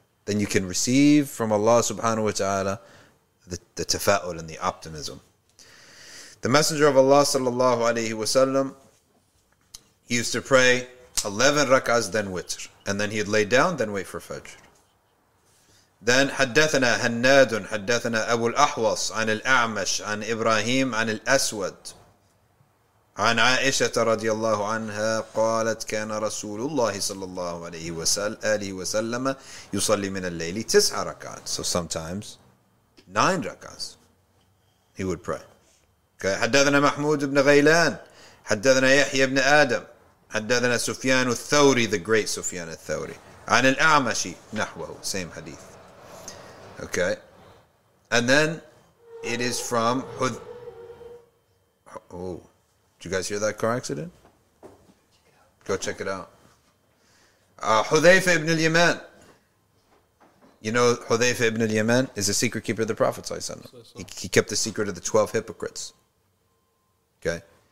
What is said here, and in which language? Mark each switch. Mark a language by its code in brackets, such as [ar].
[en] Then you can receive from Allah subhanahu wa ta'ala the tafa'ul and the optimism. The Messenger of Allah sallallahu alayhi wa sallam used to pray 11 rak'ahs, then witr. And then he'd lay down, then wait for fajr. Then [ar] حدثنا هناد حدثنا أبو الأحوص عن الأعمش عن إبراهيم عن الأسود عن عائشة رضي الله عنها قالت كان رسول الله صلى الله عليه وسلم يصلي من الليل 9 ركعات. [en] So sometimes 9 ركعات he would pray. Okay. [ar] حدثنا محمود بن غيلان حدثنا يحيى بن آدم حدثنا سفيان الثوري [en] the great [ar] سفيان الثوري عن الأعمش نحوه [en] same hadith. Okay. And then it is from did you guys hear that car accident? Go check it out. Hudhayfa ibn al-Yaman. You know Hudhayfa ibn al-Yaman is a secret keeper of the Prophet. He kept the secret of the 12 hypocrites. Okay.